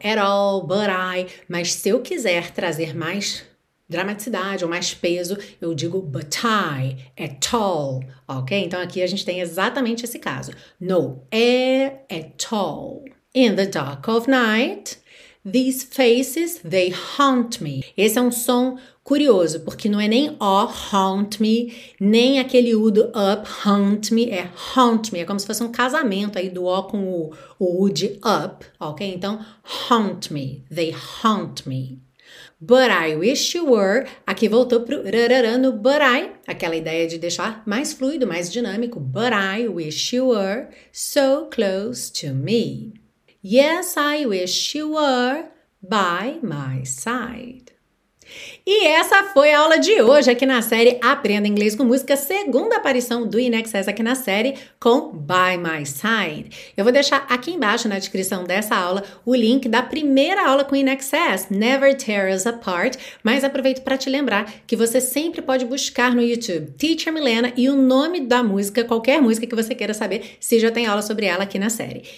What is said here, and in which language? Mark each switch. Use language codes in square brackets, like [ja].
[en] At all, but I. [pt] Mas se eu quiser trazer mais dramaticidade ou mais peso, eu digo but I, at all, ok? Então aqui a gente tem exatamente esse caso. [en] No air at all. In the dark of night, These faces, they haunt me. [pt] Esse é um som curioso, porque não é nem O, [en] haunt me, [pt] nem aquele U do up, haunt me, é haunt me. É como se fosse um casamento aí do O com o U de up, ok? Então, [en] haunt me, they haunt me. But I wish you were, [pt] aqui voltou pro rarara no but I, aquela ideia de deixar mais fluido, mais dinâmico. [en] But I wish you were so close to me. Yes, I wish you were by my side. [pt] E essa foi a aula de hoje aqui na série Aprenda Inglês com Música, segunda aparição do INXS aqui na série com By My Side. Eu vou deixar aqui embaixo na descrição dessa aula o link da primeira aula com o INXS, Never Tear Us Apart, mas aproveito para te lembrar que você sempre pode buscar no YouTube Teacher Milena e o nome da música, qualquer música que você queira saber, se já tem aula sobre ela aqui na série.